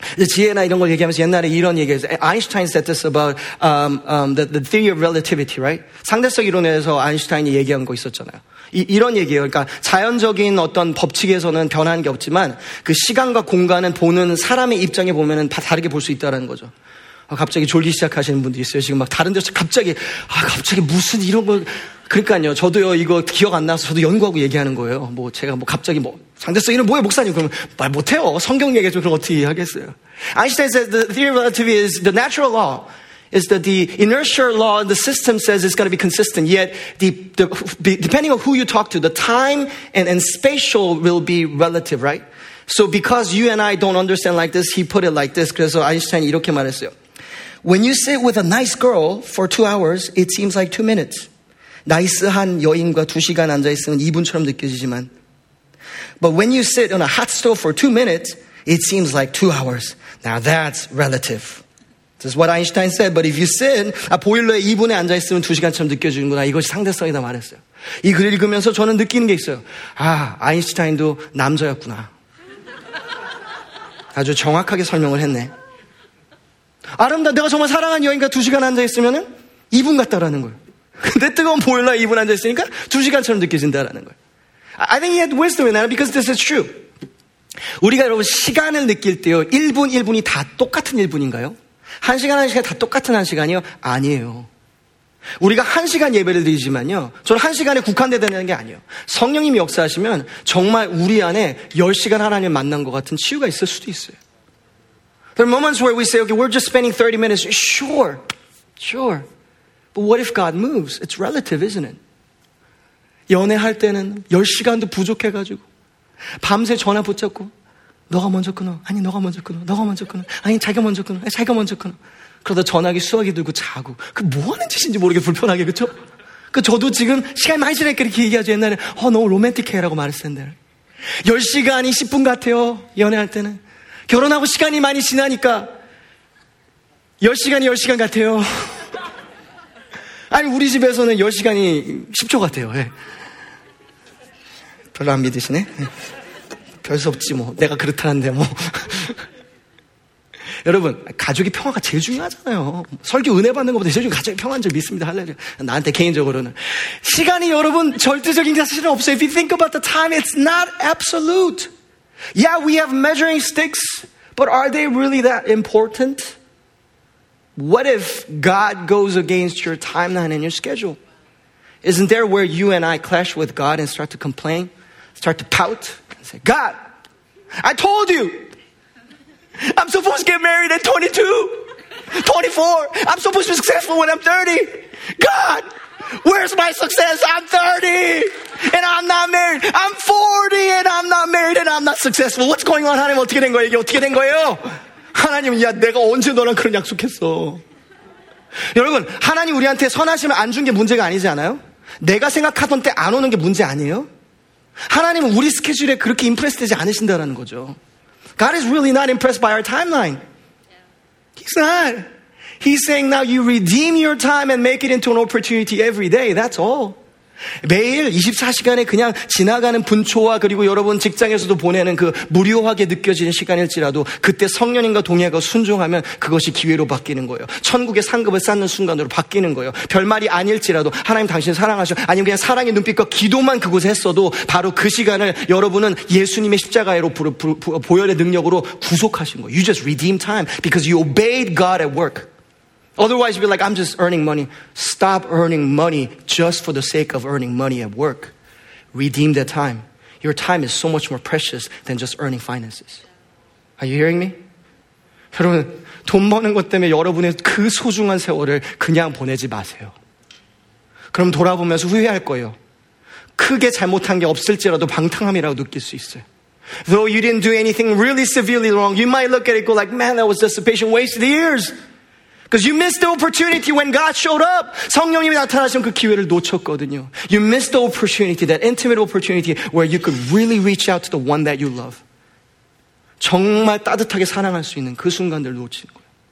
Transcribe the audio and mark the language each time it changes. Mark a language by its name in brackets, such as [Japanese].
[Korean] 지혜나 이런 걸 얘기하면서 옛날에 이런 얘기를 했어요. [English] Einstein said this about the theory of relativity, right? [Korean] 상대성 이론에서 아인슈타인이 얘기한 거 있었잖아요. 이런 얘기예요. 그러니까 자연적인 어떤 법칙에서는 변하는 게 없지만 그 시간과 공간은 보는 사람의 입장에 보면은 다 다르게 볼 수 있다는 거죠. 갑자기 졸기 시작하시는 분들이 있어요. 지금 막 다른 데서 갑자기 무슨 이런 걸. 그러니까요. 저도요, 이거 기억 안 나서 저도 연구하고 얘기하는 거예요. 뭐 제가 뭐 갑자기 뭐 상대성 이런 뭐예요, 목사님? 그러면 말 못해요. 성경 얘기 좀 그럼 어떻게 하겠어요? [English] Einstein says the theory of relativity is the natural law. Is that the inertia law in the system says it's going to be consistent. Yet, depending on who you talk to, the time and spatial will be relative, right? So because you and I don't understand like this, he put it like this. [Korean] 그래서 아인슈타인이 이렇게 말했어요. [English] When you sit with a nice girl for 2 hours, it seems like 2 minutes. [Korean] 나이스한 여인과 2시간 앉아있으면 2분처럼 느껴지지만. [English] But when you sit on a hot stove for 2 minutes, it seems like 2 hours. Now that's relative. This is what Einstein said. But if you sin, [Korean] 아, 보일러에 2분에 앉아있으면 2시간처럼 느껴지는구나. 이것이 상대성이다 말했어요. 이 글을 읽으면서 저는 느끼는 게 있어요. 아, 아인슈타인도 남자였구나. 아주 정확하게 설명을 했네. 아름다워. 내가 정말 사랑한 여인과 2시간 앉아있으면 2분 같다라는 거예요. 근데 뜨거운 보일러에 2분 앉아있으니까 2시간처럼 느껴진다라는 거예요. [English] I think he had wisdom in that because this is true. [Korean] 우리가 여러분 시간을 느낄 때요. 1분 1분이 다 똑같은 1분인가요? 한 시간 한 시간 다 똑같은 한 시간이요? 아니에요. 우리가 한 시간 예배를 드리지만요. 저는 한 시간에 국한되는 게 아니에요. 성령님이 역사하시면 정말 우리 안에 10시간 하나님을 만난 것 같은 치유가 있을 수도 있어요. [English] There are moments where we say, okay, we're just spending 30 minutes. Sure, sure. But what if God moves? It's relative, isn't it? [Korean] 연애할 때는 10시간도 부족해가지고 밤새 전화 붙잡고 너가 먼저 끊어. 아니, 너가 먼저 끊어. 너가 먼저 끊어. 아니, 자기가 먼저 끊어. 아니, 자기가 먼저 끊어. 그러다 전화기 수화기 들고 자고. 그 뭐 하는 짓인지 모르게 불편하게, 그쵸? 그 저도 지금 시간이 많이 지나니까 이렇게 얘기하죠. 옛날에, 너무 로맨틱해라고 말했을 텐데. 10시간이 10분 같아요. 연애할 때는. 결혼하고 시간이 많이 지나니까. 10시간이 10시간 같아요. 아니, 우리 집에서는 10시간이 10초 같아요. 예. 별로 안 믿으시네. 별수 없지 뭐. 내가 그렇다는데 뭐. 여러분, 가족의 평화가 제일 중요하잖아요. 설교 은혜 받는 것보다 제일 가족의 평화인 줄 믿습니다. 할렐루야. 나한테 개인적으로는. 시간이 여러분 절대적인 게 사실은 없어요. [English] If you think about the time, it's not absolute. Yeah, we have measuring sticks, but are they really that important? What if God goes against your timeline and your schedule? Isn't there where you and I clash with God and start to complain? Start to pout and say, God, I told you, I'm supposed to get married at 22, 24. I'm supposed to be successful when I'm 30. God, where's my success? I'm 30 and I'm not married. I'm 40 and I'm not married and I'm not successful. What's going on, 하나님? [Korean] 어떻게 된 거예요? 이게 어떻게 된 거예요? 하나님, 야, 내가 언제 너랑 그런 약속했어? 여러분, 하나님 우리한테 선하시면 안 준 게 문제가 아니지 않아요? 내가 생각하던 때 안 오는 게 문제 아니에요? 하나님은 우리 스케줄에 그렇게 impressed 되지 않으신다라는 거죠. [English] God is really not impressed by our timeline. He's not. He's saying now you redeem your time and make it into an opportunity every day. That's all. [Korean] 매일 24시간에 그냥 지나가는 분초와 그리고 여러분 직장에서도 보내는 그 무료하게 느껴지는 시간일지라도 그때 성령님과 동의하고 순종하면 그것이 기회로 바뀌는 거예요. 천국의 상급을 쌓는 순간으로 바뀌는 거예요. 별말이 아닐지라도 하나님 당신 사랑하셔 아니면 그냥 사랑의 눈빛과 기도만 그곳에 했어도 바로 그 시간을 여러분은 예수님의 십자가에로 보혈의 능력으로 구속하신 거예요. [English] You just redeem time because you obeyed God at work. Otherwise, you'd be like, I'm just earning money. Stop earning money just for the sake of earning money at work. Redeem that time. Your time is so much more precious than just earning finances. Are you hearing me? [Korean] 여러분, 돈 버는 것 때문에 여러분의 그 소중한 세월을 그냥 보내지 마세요. 그럼 돌아보면서 후회할 거예요. 크게 잘못한 게 없을지라도 방탕함이라고 느낄 수 있어요. [English] Though you didn't do anything really severely wrong, you might look at it and go like, man, that was just a patient waste of the years. Because you missed the opportunity when God showed up. [Korean] 성령님이 나타나시면 그 기회를 놓쳤거든요. [English] You missed the opportunity, that intimate opportunity where you could really reach out to the one that you love. [Korean] 정말 따뜻하게 사랑할 수 있는 그 순간들을 놓친 거예요.